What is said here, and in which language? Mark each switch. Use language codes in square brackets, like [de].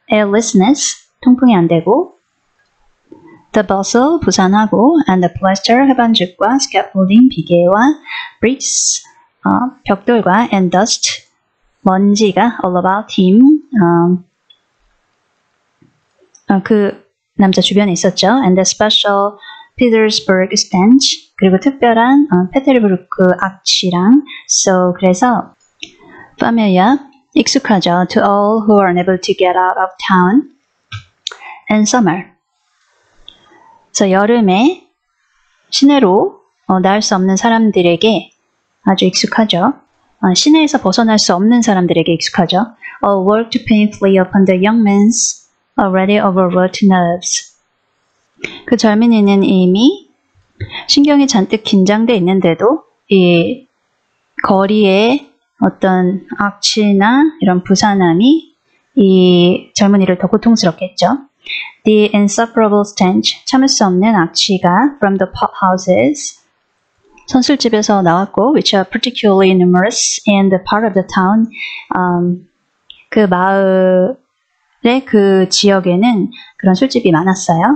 [en] Airlessness, [ko] 통풍이 안 되고 [en] The bustle, [ko] 부산하고 [en] And the plaster, [ko] 흡연죽과 [en] Scaffolding, [ko] 비계와 [en] Bricks, [ko] 벽돌과 [en] And dust, [ko] 먼지가 [en] All about him [ko] 그 남자 주변에 있었죠 [en] And the special Petersburg stench [ko] 그리고 특별한 페테르부르크 악취랑 [en] So, [ko] 그래서 [en] Familiar [ko] 익숙하죠. [en] To all who are unable to get out of town in summer. [ko] 그래서 여름에 시내로 나올 수 없는 사람들에게 아주 익숙하죠. 시내에서 벗어날 수 없는 사람들에게 익숙하죠. [en] All worked painfully upon the young man's already overwrought nerves. [ko] 그 젊은이는 이미 신경이 잔뜩 긴장돼 있는데도 이 거리에 어떤 악취나 이런 부산함이 이 젊은이를 더 고통스럽겠죠. [en] The insufferable stench, [ko] 참을 수 없는 악취가 [en] from the pot houses, [ko] 선술집에서 나왔고, [en] which are particularly numerous in the part of the town, [ko] 그 마을의 그 지역에는 그런 술집이 많았어요.